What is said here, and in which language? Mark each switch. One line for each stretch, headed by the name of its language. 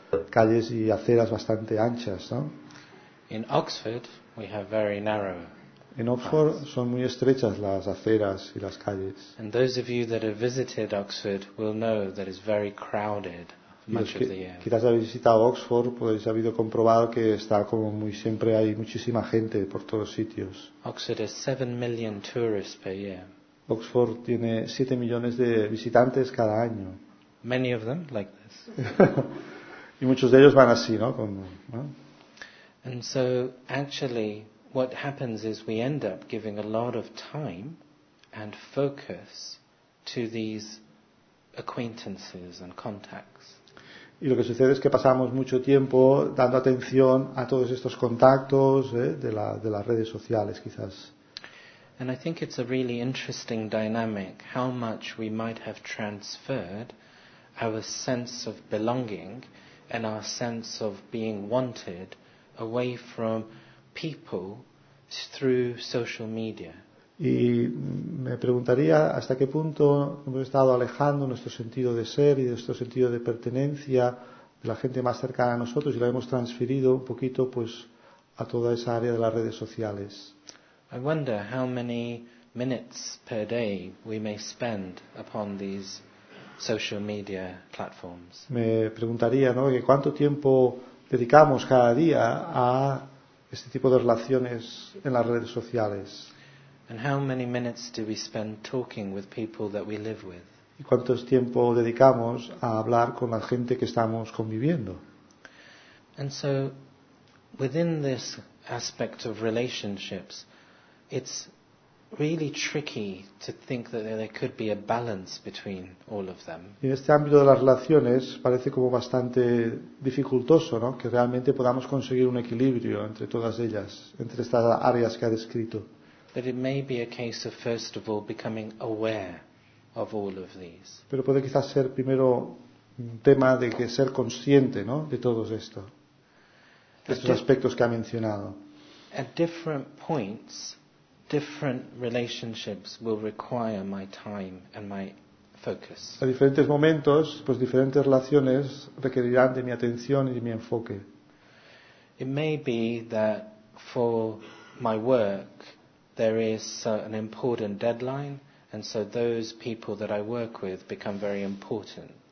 Spanish: calles y aceras bastante anchas, ¿no?
English: In Oxford, we have very narrow.
Spanish: En Oxford son muy estrechas las aceras y las calles.
English: And those of you that have visited Oxford will know that it's very crowded much of the year.
Spanish: Quizás habéis visitado Oxford, podéis haber comprobado que está como muy siempre hay muchísima gente por todos sitios.
English: Oxford has 7 million tourists per year.
Spanish: Oxford tiene 7 millones de visitantes cada año.
English: Many of them like this.
Spanish: Y muchos de ellos van así, ¿no? Como, ¿no?
English: And so actually what happens is we end up giving a lot of time and focus to these acquaintances and contacts.
Spanish: Y lo que sucede es que pasamos mucho tiempo dando atención a todos estos contactos de las redes sociales, quizás.
English: And I think it's a really interesting dynamic how much we might have transferred our sense of belonging and our sense of being wanted away from people through social media.
Spanish: Y me preguntaría hasta qué punto hemos estado alejando nuestro sentido de ser y nuestro sentido de pertenencia de la gente más cercana a nosotros y lo hemos transferido un poquito pues a toda esa área de las redes sociales.
English: I wonder how many minutes per day we may spend upon these social media platforms.
Spanish: Me preguntaría, ¿no?, que cuánto tiempo dedicamos cada día a este tipo de relaciones en las redes sociales.
English: And how many minutes do we spend talking with people that we live with?
Spanish: ¿Y cuánto tiempo dedicamos a hablar con la gente que estamos conviviendo?
English: And so within this aspect of relationships, it's really tricky to think that there could be a balance between all of them.
Spanish: En este ámbito de las relaciones parece como bastante dificultoso, ¿no?, que realmente podamos conseguir un equilibrio entre todas ellas, entre estas áreas que ha descrito.
English: But it may be a case of first of all becoming aware of all of these.
Spanish: Pero puede quizás ser primero un tema de que ser consciente, ¿no?, de todos esto, de estos aspectos que ha mencionado.
English: At different points, different relationships will require my time and my focus.
Spanish: A diferentes momentos, pues diferentes relaciones requerirán de mi atención y de mi enfoque.
English: It may be that for my work there is an important deadline and so those people that I work with become very important.